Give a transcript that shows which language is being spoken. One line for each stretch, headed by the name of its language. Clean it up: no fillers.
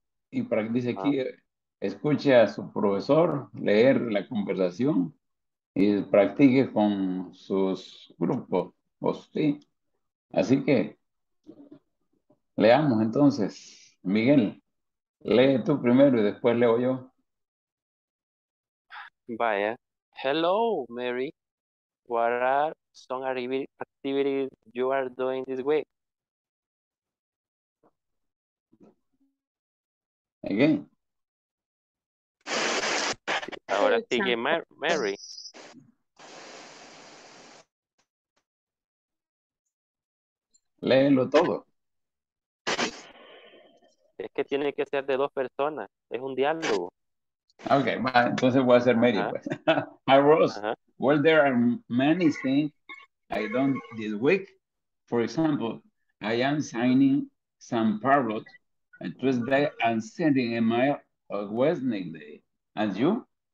Spanish: Y para que dice aquí, escuche a su profesor leer la conversación y practique con sus grupos. Sí. Así que, leamos entonces. Miguel, lee tú primero y después leo yo. Vaya.
English: Hello, Mary. What are some activities you are doing this week? Again.
Spanish: Ahora sigue Mary. Léelo todo. Es que tiene que ser de dos personas. Es un diálogo.
English: Okay, well,
Spanish: entonces voy a ser medio.
English: Hi,
Spanish: Rose.
English: Well, there are many things I done this week. For example, I am signing some parlors on Tuesday and sending a mail on Wednesday. And you?